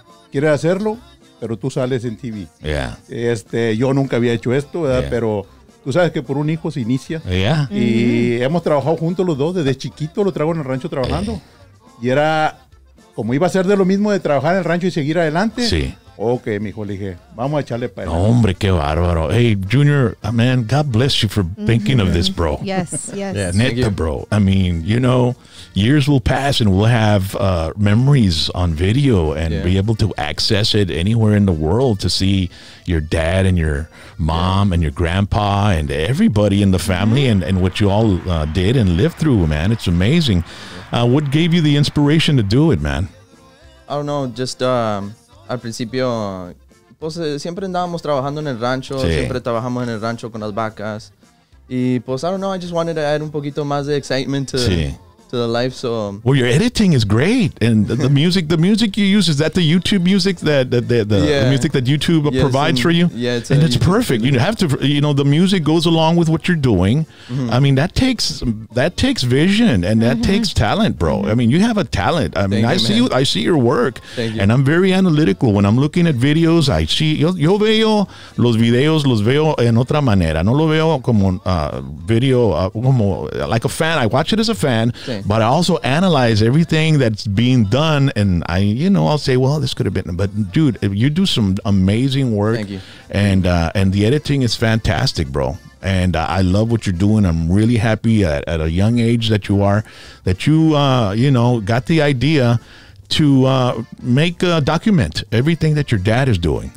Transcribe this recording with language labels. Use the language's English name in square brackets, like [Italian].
[Spanish] quieres hacerlo, pero tú sales en TV. [English] Yeah. [Spanish] Yo nunca había hecho esto, ¿verdad? [English] Yeah. [Spanish] Pero tú sabes que por un hijo se inicia. [English] Yeah. [Spanish] Y hemos trabajado juntos los dos, desde chiquito lo traigo en el rancho trabajando. Y era, como iba a ser de lo mismo de trabajar en el rancho y seguir adelante. Sí. Ok, mijo, le dije, vamos a echarle para adelante. Hombre, qué bárbaro. [English] Hey, Junior, man, God bless you for thinking of this, bro. Yes. [Spanish] Neta, bro. [English] I mean, you know, years will pass and we'll have memories on video and be able to access it anywhere in the world to see your dad and your mom and your grandpa and everybody in the family and what you all did and lived through, man. It's amazing. What gave you the inspiration to do it, man? I don't know, just... [Spanish] Al principio, pues siempre andábamos trabajando en el rancho, siempre trabajamos en el rancho con las vacas. Y pues, [English] I don't know, I just wanted to add [Spanish] un poquito más de [English] excitement to, to the life, so... Well, your editing is great, and the music, the music you use, is that the YouTube music that, the music that YouTube provides for you? Yeah, it's And it's YouTube perfect, music. You have to, you know, the music goes along with what you're doing. Mm-hmm. I mean, that takes vision, and that takes talent, bro. I mean, you have a talent. I see your work. Thank you. And I'm very analytical. When I'm looking at videos, I see, [Spanish] yo veo los videos, los veo en otra manera. No lo veo como video, como, [English] like a fan. I watch it as a fan. Same. But I also analyze everything that's being done, and I, you know, I'll say, well, this could have been, but dude, you do some amazing work. Thank you. And the editing is fantastic, bro. And I love what you're doing. I'm really happy at a young age that you are, that you, you know, got the idea to make a document everything that your dad is doing.